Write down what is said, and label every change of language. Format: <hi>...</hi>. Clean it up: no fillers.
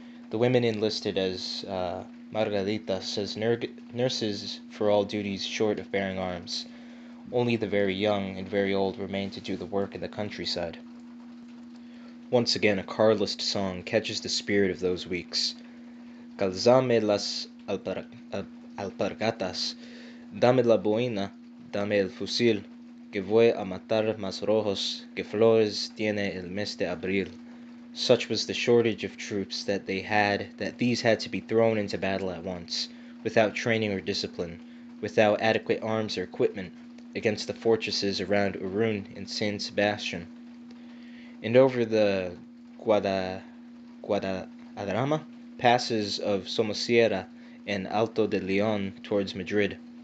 <en>The women enlisted as Margaritas, as nurses for all duties short of bearing arms. Only the very young and very old remained to do the work in the countryside. Once again, a Carlist song catches the spirit of those weeks.</en> <es>Calzame las alpargatas, dame la boina, dame el fusil, que voy a matar más rojos que flores tiene el mes de abril.</es> <en>Such was the shortage of troops that they had, that these had to be thrown into battle at once, without training or discipline, without adequate arms or equipment, against the fortresses around Irun and San Sebastian. And over the Guadarrama passes of Somosierra and Alto de León towards Madrid.</en>